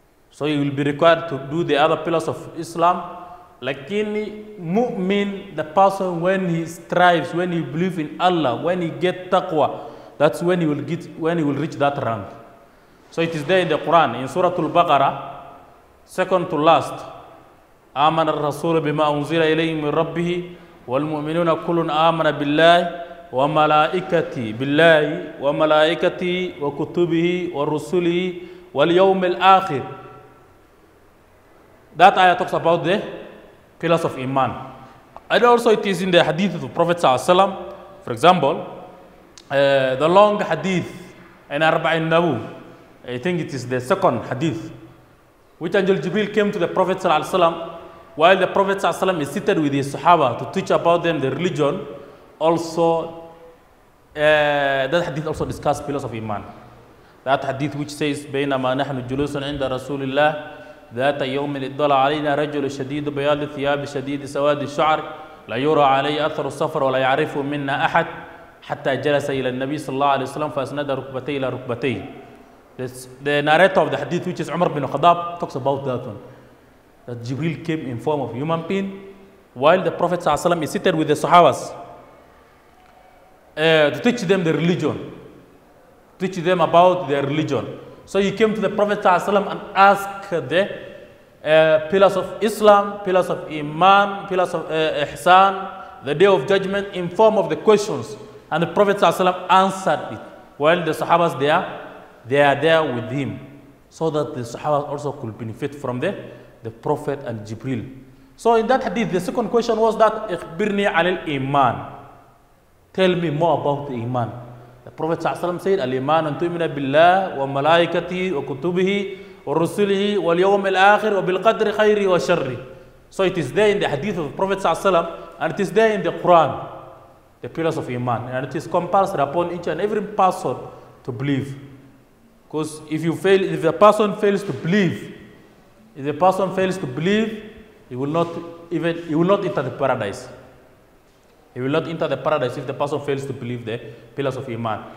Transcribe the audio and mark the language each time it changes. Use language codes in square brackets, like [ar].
[en] So he will be required to do the other pillars of Islam. Lakini mu'min, the person when he strives, when he believes in Allah, when he gets taqwa, that's when he will get, when he will reach that rank. So it is there in the Quran, in Surah Al-Baqarah, second to last. [ar] آمن الرسول بما أنزل إليه من ربه والمؤمنون كل آمن بالله وملائكته بالله وملائكته وكتبه ورسله واليوم الآخر. [en] That ayah talks about the pillars of Iman. And also it is in the hadith of the Prophet ﷺ. For example, the long hadith in Arba'in Nawu, I think it is the second hadith, which Angel Jibril came to the Prophet ﷺ while the Prophet ﷺ is seated with his Sahaba to teach about them the religion. Also, that hadith also discusses pillars of Iman. That hadith which says, [ar] بينما نحن جلوس عند رسول الله ذات يوم اضل علينا رجل شديد بياض الثياب شديد سواد الشعر لا يرى عليه أثر السفر ولا يعرف منا أحد حتى جلس إلى النبي صلى الله عليه وسلم فأسند ركبتيه إلى ركبتيه. [en] The narrator of the hadith, which is Umar bin Khattab, talks about that one. That Jibril came in form of human being while the Prophet ﷺ is seated with the Sahabas to teach them the religion, teach them about their religion. So he came to the Prophet ﷺ and asked the pillars of Islam, pillars of Iman, pillars of Ihsan, the Day of Judgment, in form of the questions. And the Prophet ﷺ answered it while the Sahabas there. They are there with him. so that the Sahaba also could benefit from the Prophet and Jibril. So in that hadith, the second question was that [ar] اخبرني عن الإيمان. [en] Tell me more about the Iman. The Prophet said, [ar] الإيمان أن تؤمن بالله وملائكته وكتبه ورسله واليوم الآخر وبالقدر خيره وشره. [en] So it is there in the hadith of the Prophet and it is there in the Quran, the pillars of Iman. And it is compulsory upon each and every person to believe. Because if the person fails to believe, he will not enter the paradise if the person fails to believe the pillars of Iman.